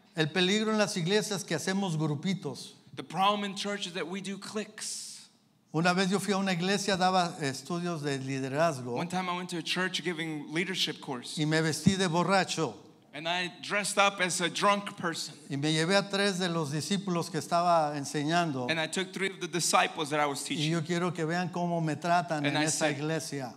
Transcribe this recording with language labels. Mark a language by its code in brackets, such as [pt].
[es] El peligro en las iglesias es que hacemos grupitos. [en] The problem in church is that we do cliques. [es] Una vez yo fui a una iglesia, daba estudios de liderazgo. [en] One time I went to a church giving leadership course. [es] Y me vestí de borracho. [en] And I dressed up as a drunk person. [es] Y me llevé a tres de los discípulos que estaba enseñando. [en] And I took three of the disciples that I was teaching. [es] Y yo quiero que vean cómo me tratan en esa iglesia.